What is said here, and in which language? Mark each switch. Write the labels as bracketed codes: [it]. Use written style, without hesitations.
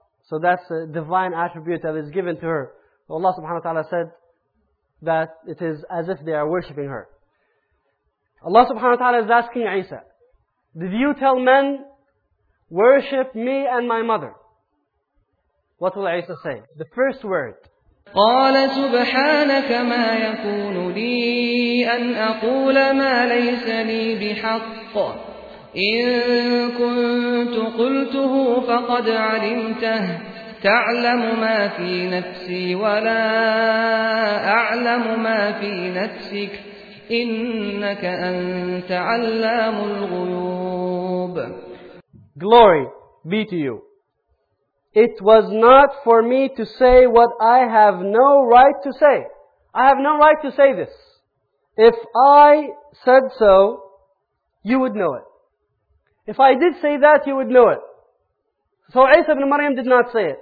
[en] So that's a divine attribute that is given to her. Allah subhanahu wa ta'ala said that it is as if they are worshipping her. Allah subhanahu wa ta'ala is asking Isa, did you tell men, worship me and my mother? What will Isa say? The first word. [ar] قال سبحانك ما يكون لي أن أقول ما ليس لي بحق إن كنت قلته فقد علمته تعلم ما في نفسي ولا أعلم ما في نفسك إنك أنت علام الغيوب. [en] Glory be to you. It was not for me to say what I have no right to say. I have no right to say this. If I said so, you would know it. If I did say that, you would know it. So Isa ibn Maryam did not say it.